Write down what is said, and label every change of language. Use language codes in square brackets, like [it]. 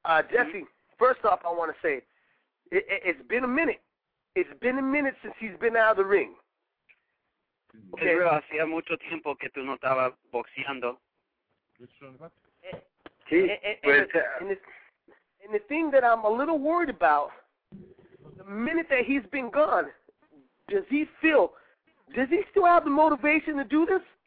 [en] Jesse, first off, I want to say, it's been a minute. It's been a minute since he's been out of the ring. Okay. [es] Pero hacía mucho tiempo que tú no estabas boxeando. [en] Sí, and the thing that I'm a little worried about, the minute that he's been gone, does he still have the motivation to do this?